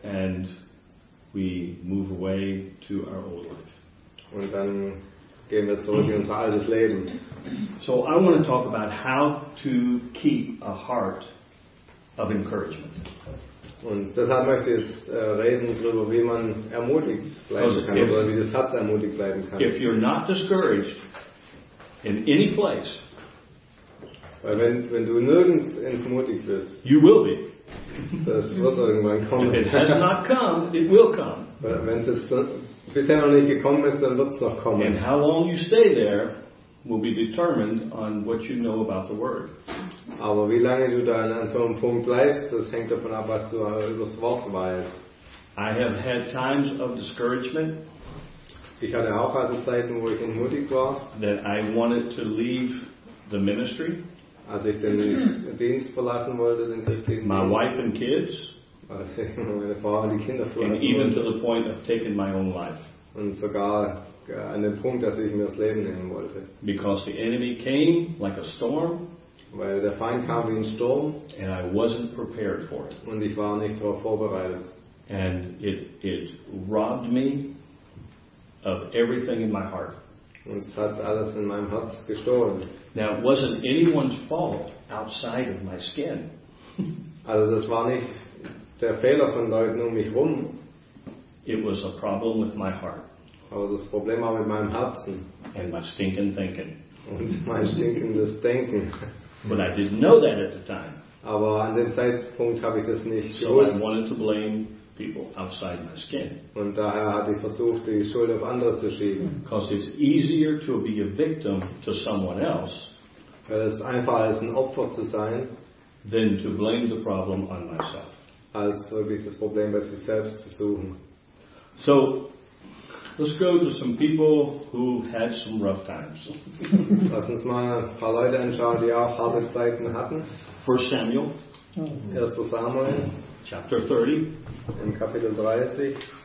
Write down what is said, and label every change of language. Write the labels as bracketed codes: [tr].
[en] And we move away to our old life. [de] Und dann gehen wir zurück in unser altes Leben. [en] So I want to talk about how to keep a heart of encouragement. [de] Und deshalb möchte ich jetzt reden darüber, wie man ermutigt bleiben kann, oder wie das Herz ermutigt bleiben kann. [en] If you're not discouraged in any place, [de] weil wenn du nirgends entmutigt bist, [en] you will be. [de] Das wird irgendwann kommen. [en] If it has not come, it will come. [de] Wenn es bisher noch nicht gekommen ist, dann wird es noch kommen. [en] And how long you stay there will be determined on what you know about the word. [de] Aber wie lange du dann an so einem Punkt bleibst, das hängt davon ab, was du über das Wort weißt. [en] I have had times of discouragement. [de] Ich hatte auch also Zeiten, wo ich entmutigt war. [en] That I wanted to leave the ministry. [de] Als ich den Dienst verlassen wollte, den christlichen Dienst. [en] My wife and kids. [de] Als ich meine Frau und die Kinder verlassen wollte. [en] And even to the point of taking my own life. [de] Und sogar an dem Punkt, dass ich mir das Leben nehmen wollte. [en] Because the enemy came like a storm. [de] Weil der Feind kam wie ein Sturm. [en] And I wasn't prepared for it. [de] Und ich war nicht darauf vorbereitet. [en] And it robbed me of everything in my heart. [de] Und es hat alles in meinem Herz gestohlen. [en] Now it wasn't anyone's fault outside of my skin. [de] Also das war nicht der Fehler von Leuten um mich rum. [en] It was a problem with my heart. [de] Aber das Problem war mit meinem Herzen. [en] And my stinking thinking. [de] Und mein stinkendes Denken. [en] But I didn't know that at the time. [de] Aber an dem Zeitpunkt habe ich das nicht so gewusst. [en] I wanted to blame people outside my skin. [de] Und daher hatte ich versucht, die Schuld auf andere zu schieben. [en] Because it's easier to be a victim to someone else. [de] Weil es einfacher ist, ein Opfer zu sein. [en] Than to blame the problem on myself. [de] Als wirklich das Problem bei sich selbst zu suchen. [en] So, let's go to some people who had some rough times. [de] Lass uns mal ein paar Leute anschauen, die auch harte Zeiten hatten. [en] 1 Samuel. [de] 1. Samuel. [en] Chapter 30. [de] In Kapitel 30.